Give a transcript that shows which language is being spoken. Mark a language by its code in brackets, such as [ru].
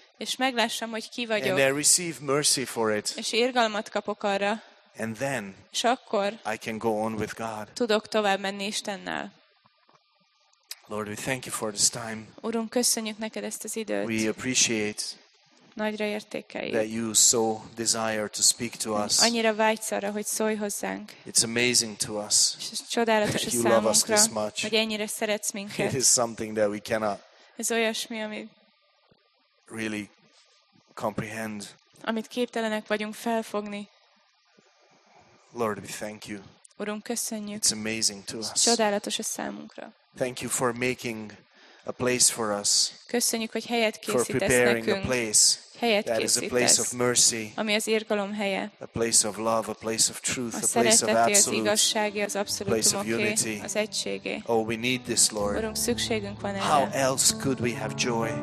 [hu] és meglássam, hogy ki vagyok, [en] and I receive mercy for it, [hu] és irgalmat kapok arra, [en] and then, [hu] és akkor, [en] I can go on with God, [hu] tudok tovább menni Istennel. [en] Lord, we thank you for this time. [hu] Urunk, köszönjük neked ezt az időt. [en] We appreciate [hu] nagyra értékeljük [en] that you so desire to speak to us. [hu] Annyira vágysz arra, hogy szólj hozzánk. [en] It's amazing to us. [hu] Csodálatos a számunkra, hogy ennyire szeretsz minket. [en] It is something that we cannot. [hu] Ez olyasmi, ami [en] really comprehend. [hu] Amit képtelenek vagyunk felfogni. [en] Lord, we thank you. [hu] Urunk, köszönjük. [en] It's amazing to us. [hu] Csodálatos a számunkra. [en] Thank you for making a place for us. [hu] Köszönjük, hogy helyet készítesz [en] for preparing [hu] nekünk, [en] a place [hu] helyet [en] that is a place of mercy, [hu] ami az irgalom helye, [en] a place of love, a place of truth, [hu] a [en] place of absolute, [hu] az igazsági, az abszolútumoké, [en] a place of unity. [hu] Az egységé. [en] Oh, we need this, Lord. [hu] Urunk, szükségünk van erre. [en] How else could we have joy?